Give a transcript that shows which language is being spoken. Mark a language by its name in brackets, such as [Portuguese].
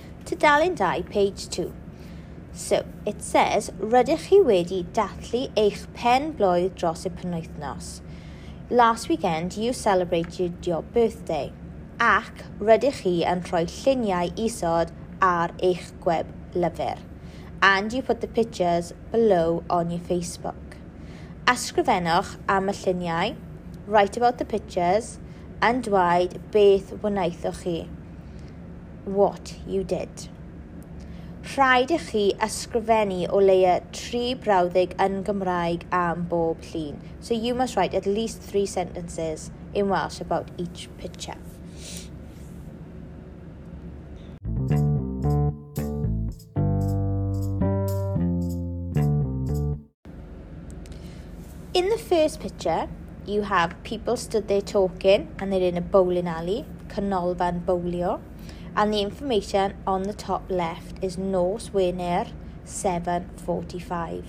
[English] To Dalen Dau, page 2. So, it says, [Welsh] Rydych chi wedi dathlu eich pen blwydd dros y penwythnos. [English] Last weekend, you celebrated your birthday. [Welsh] Ac rydych chi yn rhoi lluniau isod ar eich gweb lyfr. [English] And you put the pictures below on your Facebook. [Welsh] Ysgrifennwch am y lluniau, [English] write about the pictures, [Welsh] and dweud beth wnaethwch chi. [English] What you did. [Welsh] Rhaid i chi ysgrifennu o leia 3 brawddeg yn Gymraeg am bob llun. [English] So you must write at least 3 sentences in Welsh about each picture. In the first picture, you have people stood there talking and they're in a bowling alley, Canolfan Bowlio, and the information on the top left is Nos Wener 7:45.